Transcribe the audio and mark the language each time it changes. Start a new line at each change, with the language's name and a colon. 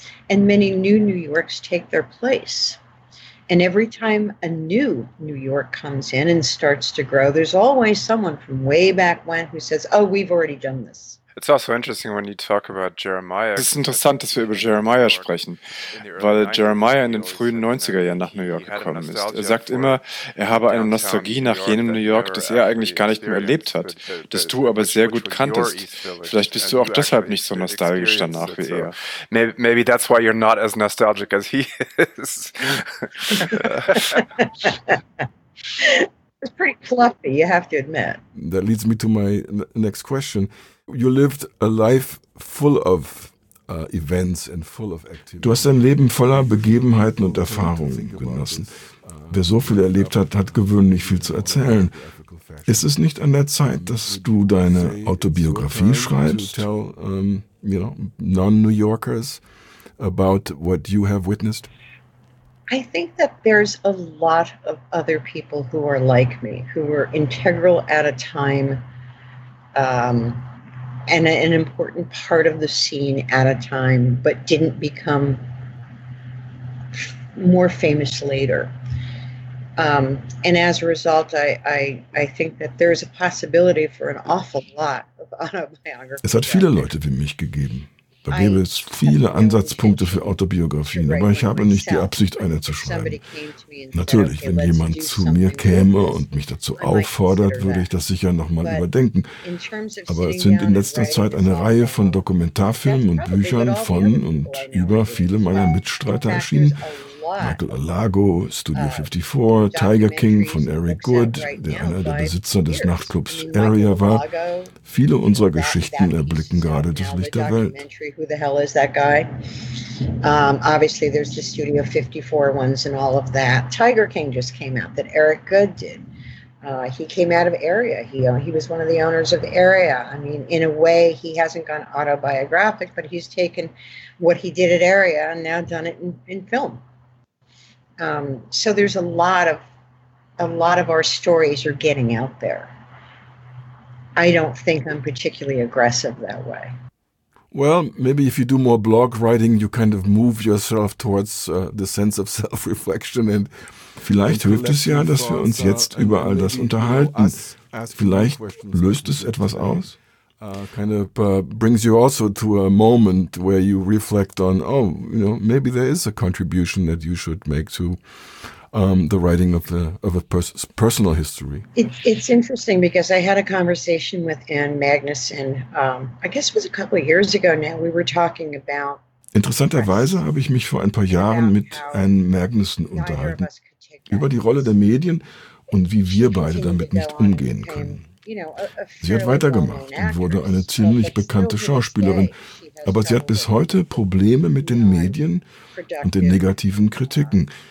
English: And many new New Yorks take their place. And every time a new New York comes in and starts to grow, there's always someone from way back when who says, oh, we've already done this. It's also interesting when you talk about Jeremiah.
German: Es ist interessant, dass wir über Jeremiah sprechen, weil Jeremiah in den frühen 90er Jahren nach New York gekommen ist. Er sagt immer, er habe eine Nostalgie nach jenem New York, das er eigentlich gar nicht mehr erlebt hat, das du aber sehr gut kanntest. Vielleicht bist du auch deshalb nicht so nostalgisch danach wie er.
English: Maybe that's why you're not as nostalgic as he is. It's pretty fluffy, you have to admit. That leads me to my next question. You lived a life full of events and full of activities.
German: Du hast dein Leben voller Begebenheiten und Erfahrungen genossen. Wer so viel erlebt hat, hat gewöhnlich viel zu erzählen. Ist es nicht an der Zeit, dass du deine Autobiografie schreibst?
English: Tell, you know, non-New Yorkers about what you have witnessed? I think that there's a lot of other people who are like me, who were integral at a time, and an important part of the scene at a time, but didn't become more famous later. And as a result, I think that there's a possibility for an awful lot of autobiography.
German: Es hat viele Leute wie mich gegeben. Da gäbe es viele Ansatzpunkte für Autobiografien, aber ich habe nicht die Absicht, eine zu schreiben. Natürlich, wenn jemand zu mir käme und mich dazu auffordert, würde ich das sicher nochmal überdenken. Aber es sind in letzter Zeit eine Reihe von Dokumentarfilmen und Büchern von und über viele meiner Mitstreiter erschienen. Michael Alago, Studio 54, Tiger King von Eric Good, der einer der Besitzer des Nachtclubs Area war. Viele unserer Geschichten erblicken gerade das Licht der Welt.
English: Who the hell is that guy? Obviously, there's the Studio 54 ones and all of that. Tiger King just came out that Eric Good did. He came out of Area. He was one of the owners of Area. I mean, in a way, he hasn't gone autobiographic, but he's taken what he did at Area and now done it in film. So there's a lot of our stories are getting out there. I don't think I'm particularly aggressive that way. Well, maybe if you do more blog writing, you kind of move yourself towards the sense of self-reflection. And
German: vielleicht hilft es ja, dass wir uns jetzt über all das unterhalten. Vielleicht löst es etwas aus.
English: Kind of brings you also to a moment where you reflect on, oh, you know, maybe there is a contribution that you should make to the writing of a personal history. It's interesting because I had a conversation with Anne Magnusson, I guess it was a couple of years ago now, we were talking about...
German: Interessanterweise habe ich mich vor ein paar Jahren mit Anne Magnusson unterhalten über die Rolle der Medien und wie wir beide damit nicht umgehen können. Sie hat weitergemacht und wurde eine ziemlich bekannte Schauspielerin. Aber sie hat bis heute Probleme mit den Medien und den negativen Kritiken.